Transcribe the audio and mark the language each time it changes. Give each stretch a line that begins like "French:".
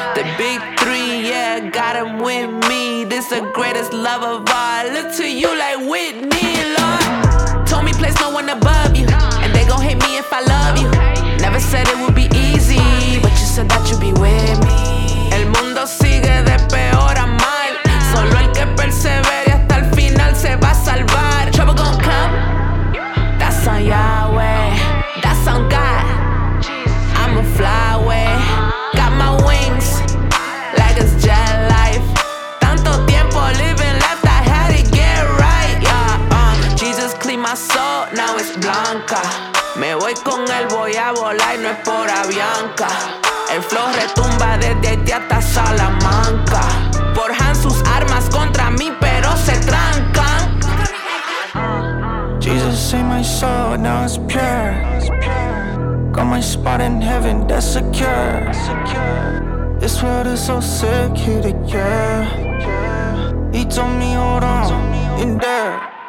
English: The big three, yeah, got him with me. This the greatest love of all. Look to you like Whitney, Lord. Told me place no one above you, and they gon' hate me if I love you. Never said it would be easy, but you said that you'd be with me.
Spanish: El mundo sigue de peor a mal. Solo el que persevere hasta el final se va a salvar.
English: Trouble gon' come. That's on Yahweh, that's on God. I'ma fly away, got my wings like it's jet life.
Spanish: Tanto tiempo
English: living left, I had to get right. Jesus clean my soul, now it's blanca.
Spanish: Me voy con él, voy a volar, no es por Avianca. El flow retumba desde Haití hasta Salamanca. Forjan sus armas contra mí, pero se tranca.
English: Jesus saved my soul, now it's pure. Got my spot in heaven, that's secure. This world is so sick, here to care. He told me, hold on, in there.